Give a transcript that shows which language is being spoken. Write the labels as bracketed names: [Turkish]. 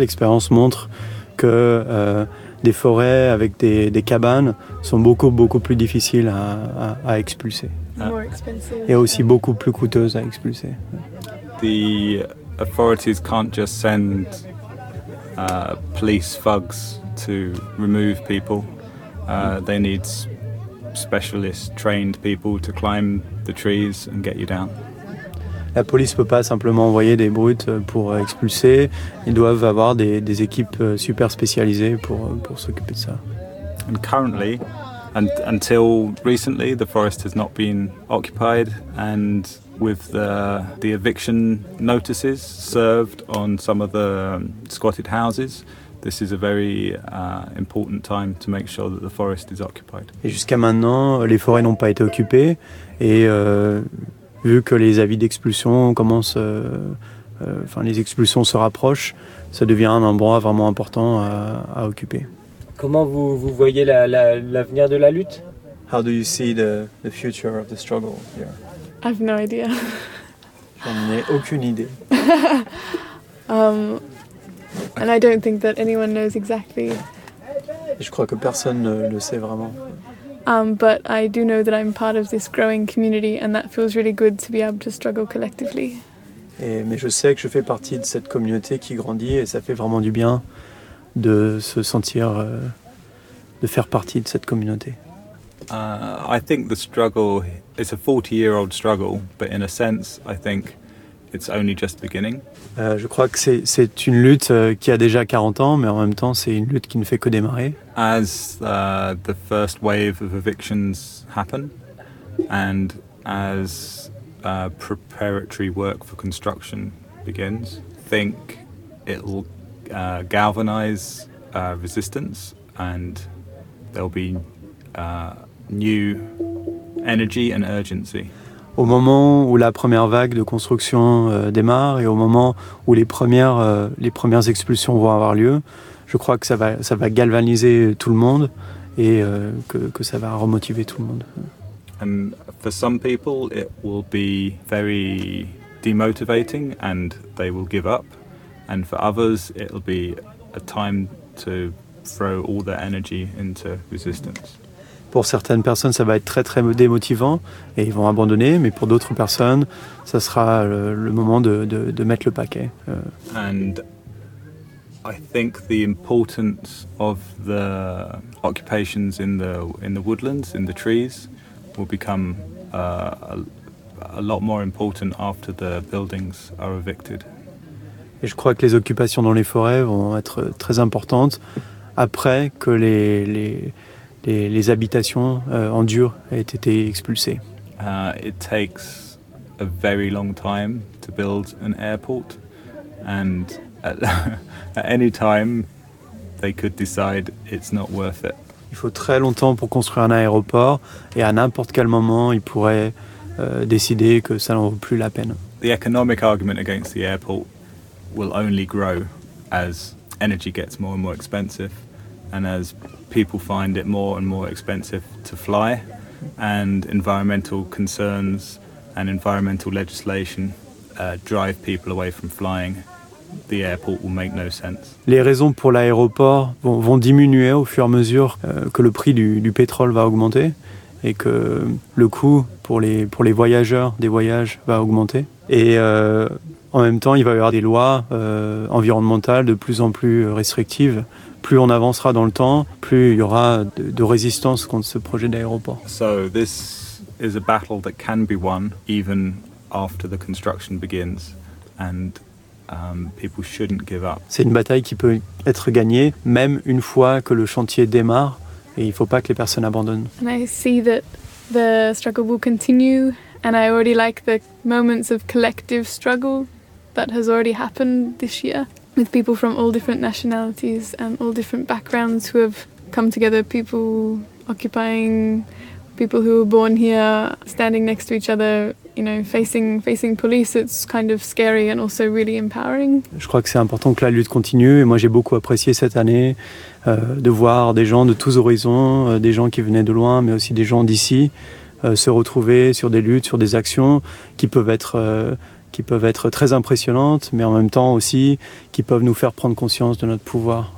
[French] L'expérience montre que des forêts avec des cabanes sont beaucoup beaucoup plus difficiles à expulser. Et aussi beaucoup plus coûteuses à expulser. [English] The authorities can't just send police thugs to remove people. They need specialist trained people to climb the trees and get you down. [French] La police ne peut pas simplement envoyer des brutes pour expulser. Ils doivent avoir des équipes super spécialisées pour s'occuper de ça. [English] And currently, and until recently, the forest has not been occupied, and with the eviction notices served on some of the squatted houses, this is a very important time to make sure that the forest is occupied. [French] Et jusqu'à maintenant, les forêts n'ont pas été occupées, et vu que les avis d'expulsion commencent, les expulsions se rapprochent, ça devient un endroit vraiment important à occuper. Comment vous voyez l'avenir de la lutte? [English] How do you see the future of the struggle here? I've no idea. [French] J'en ai aucune idée. [English] And I don't think that anyone knows exactly. [French] Je crois que personne ne le sait vraiment. [English] But I do know that I'm part of this growing community, and that feels really good to be able to struggle collectively. [French] Mais je sais que je fais partie de cette communauté qui grandit, et ça fait vraiment du bien de se sentir de faire partie de cette communauté. [English] I think the struggle is a 40-year-old struggle, but in a sense, I think it's only just beginning. [French] Je crois que c'est une lutte qui a déjà 40 ans, mais en même temps, c'est une lutte qui ne fait que démarrer. [English] As the first wave of evictions happen, and as preparatory work for construction begins, I think it'll galvanize resistance, and there'll be new energy and urgency. [French] Au moment où la première vague de construction démarre et au moment où les premières expulsions vont avoir lieu, je crois que ça va galvaniser tout le monde et que ça va remotiver tout le monde. [English] And for some people, it will be very demotivating and they will give up. And for others, it'll be a time to throw all their energy into resistance. [French] Pour certaines personnes, ça va être très très démotivant et ils vont abandonner. Mais pour d'autres personnes, ça sera le moment de mettre le paquet. [English] And I think the importance of the occupations in the woodlands, in the trees, will become a lot more important after the buildings are evicted. [French] Et je crois que les occupations dans les forêts vont être très importantes après que les habitations en dur aient été expulsées. [English] It takes a very long time to build an airport, and at any time they could decide it's not worth it. [French] Il faut très longtemps pour construire un aéroport, et à n'importe quel moment ils pourraient décider que ça n'en vaut plus la peine. [English] The economic argument against the airport will only grow as energy gets more and more expensive, and as people find it more and more expensive to fly, and environmental concerns and environmental legislation drive people away from flying, the airport will make no sense. [French] Les raisons pour l'aéroport vont diminuer au fur et à mesure que le prix du pétrole va augmenter et que le coût pour les voyageurs des voyages va augmenter. En même temps, il va y avoir des lois environnementales de plus en plus restrictives. Plus on avancera dans le temps, plus il y aura de résistance contre ce projet d'aéroport. [English] So this is a battle that can be won even after the construction begins, and people shouldn't give up. [French] C'est une bataille qui peut être gagnée même une fois que le chantier démarre, et il ne faut pas que les personnes abandonnent. [English] And I see that the struggle will continue, and I already like the moments of collective struggle that has already happened this year, with people from all different nationalities and all different backgrounds who have come together, people occupying, people who were born here, standing next to each other you know, facing police, it's kind of scary and also really empowering. [French] Je crois que c'est important que la lutte continue, et moi j'ai beaucoup apprécié cette année de voir des gens de tous horizons, des gens qui venaient de loin, mais aussi des gens d'ici, se retrouver sur des luttes, sur des actions qui peuvent être très impressionnantes, mais en même temps aussi qui peuvent nous faire prendre conscience de notre pouvoir.